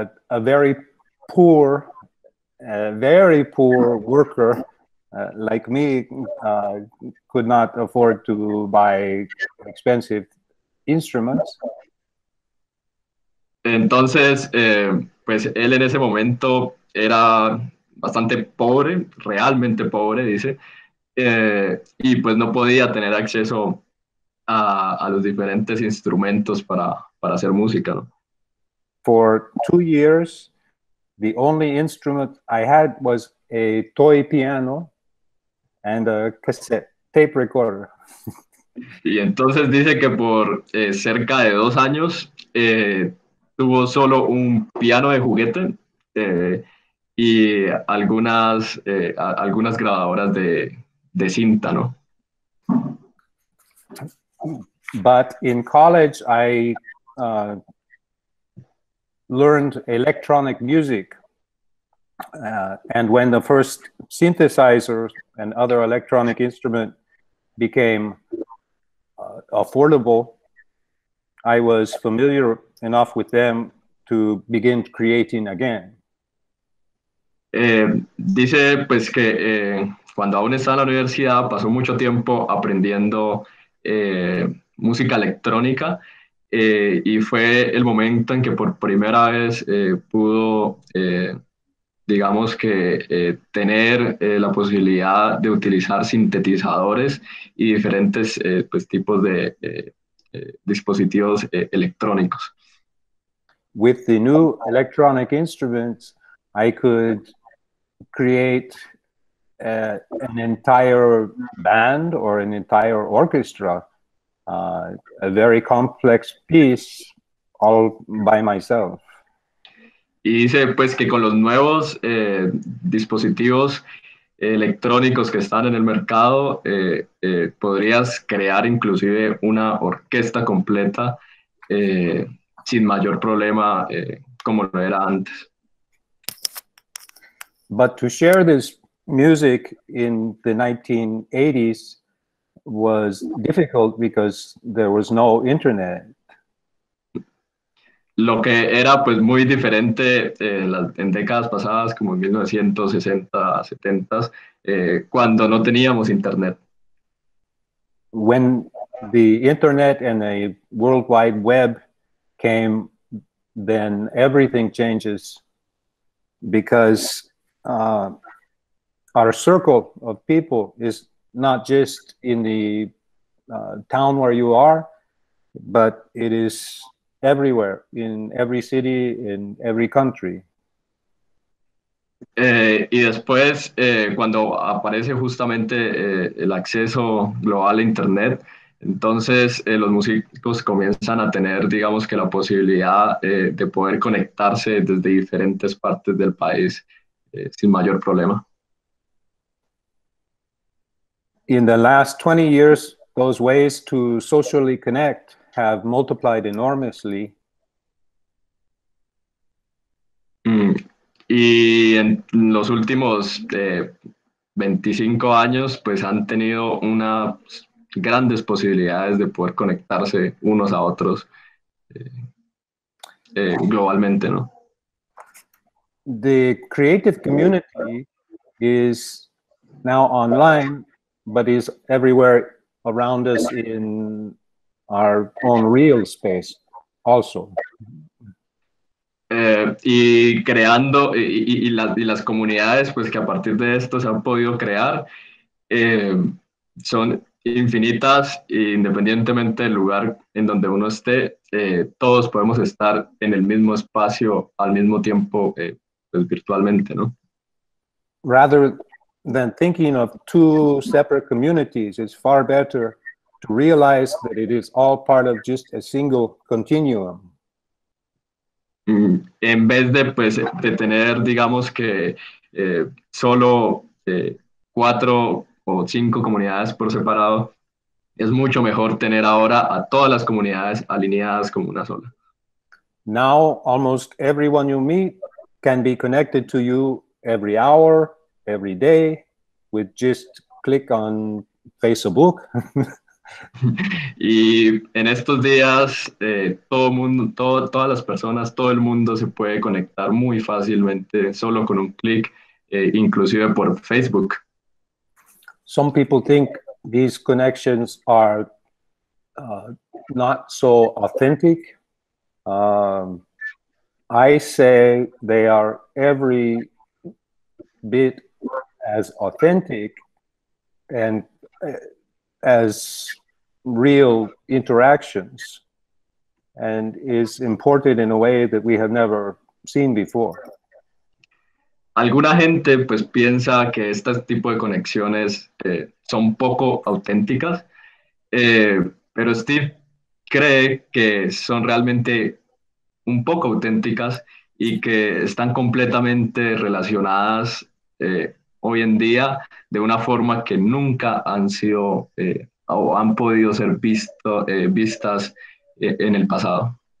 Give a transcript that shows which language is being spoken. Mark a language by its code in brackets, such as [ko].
[en] A very poor, very poor worker like me could not afford to buy expensive instruments. [es] Entonces, pues él en ese momento era bastante pobre, realmente pobre, dice, y pues no podía tener acceso a los diferentes instrumentos para hacer música, ¿no? [en] For 2 years, the only instrument I had was a toy piano and a cassette tape recorder. [es] Y entonces dice que por cerca de 2 años tuvo solo un piano de juguete, y algunas algunas grabadoras de cinta, ¿no? [en] But in college I learned electronic music and when the first synthesizer and other electronic instrument became affordable, I was familiar enough with them to begin creating again. [es] Dice pues que cuando aún estaba en la universidad pasó mucho tiempo aprendiendo música electrónica. Y fue el momento en que por primera vez pudo, digamos que, tener la posibilidad de utilizar sintetizadores y diferentes pues, tipos de dispositivos electrónicos. [en] With the new electronic instruments, I could create an entire band or an entire orchestra, a very complex piece all by myself. [es] Y dice pues que con los nuevos dispositivos electrónicos que están en el mercado, podrías crear inclusive una orquesta completa sin mayor problema como lo era antes. [en] But to share this music in the 1980s was difficult because there was no internet. [es] Lo que era pues muy diferente en décadas pasadas, como en 1960, 70, cuando no teníamos internet. [en] When the internet and a World Wide Web came, then everything changes because our circle of people is not just in the town where you are, but it is everywhere, in every city, in every country. [es] Y después, cuando aparece justamente el acceso global a Internet, entonces los músicos comienzan a tener, digamos que, la posibilidad de poder conectarse desde diferentes partes del país. Sin mayor problema. [en] In the last 20 years, those ways to socially connect have multiplied enormously. [es] Y en los últimos 25 años, pues han tenido unas grandes posibilidades de poder conectarse unos a otros globalmente, ¿no? [en] The creative community is now online, but is everywhere around us in our own real space also. [es] Y creando y las comunidades pues que a partir de esto se han podido crear son infinitas e independientemente del lugar en donde uno esté, todos podemos estar en el mismo espacio al mismo tiempo. Virtualmente, ¿no? [en] Rather than thinking of two separate communities, it's far better to realize that it is all part of just a single continuum. [es] En vez de, pues, de tener, digamos que, solo cuatro o cinco comunidades por separado, es mucho mejor tener ahora a todas las comunidades alineadas como una sola. [en] Now, almost everyone you meet can be connected to you every hour, every day, with just click on Facebook. [es] Y en estos días, todas las personas, todo el mundo se puede conectar muy fácilmente, solo con un clic, inclusive por Facebook. [en] Some people think these connections are not so authentic. I say they are every bit as authentic and as real interactions, and is important in a way that we have never seen before. [es] Alguna gente pues piensa que este tipo de conexiones son poco auténticas, pero Steve cree que son realmente un poco auténticas y que están completamente relacionadas hoy en día de una forma que nunca han sido o han podido ser vistas en el pasado.